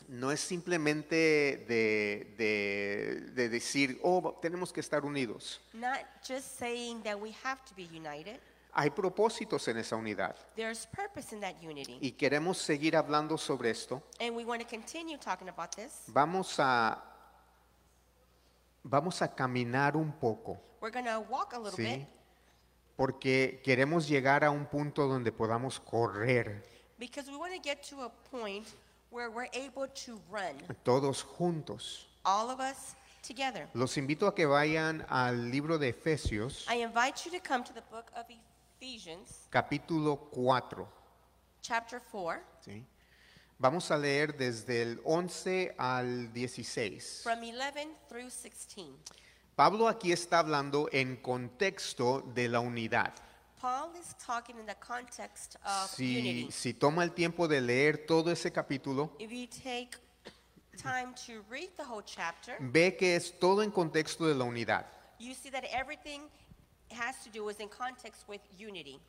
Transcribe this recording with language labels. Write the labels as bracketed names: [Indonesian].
[Spanish] No es simplemente de decir, oh, tenemos que estar unidos. [English] Not just saying that we have to be united. [Spanish] Hay propósitos en esa unidad. [English] There's purpose in that unity. [Spanish] Y queremos seguir hablando sobre esto. [English] And we want to continue talking about this. [Spanish] Vamos a caminar un poco. [English] We're going to walk a little [Spanish] ¿sí? [English] bit. [Spanish] Porque queremos llegar a un punto donde podamos correr. [English] Because we want to get to a point where we're able to run. [Spanish] Todos juntos. [English] All of us together. [Spanish] Los invito a que vayan al libro de Efesios. [English] I invite you to come to the book of Ephesians. [Spanish] Capítulo 4. [English] Chapter 4. [Spanish] ¿Sí? Vamos a leer desde el 11 al 16. [English] From 11 through 16. [Spanish] Pablo aquí está hablando en contexto de la unidad. [English] Paul is talking in the context of [Spanish] si, [English] unity. [Spanish] Si toma el tiempo de leer todo ese capítulo, [English] if you take time to read the whole chapter, [Spanish] ve que es todo en contexto de la unidad. [English] You see that everything has to do is in context with unity.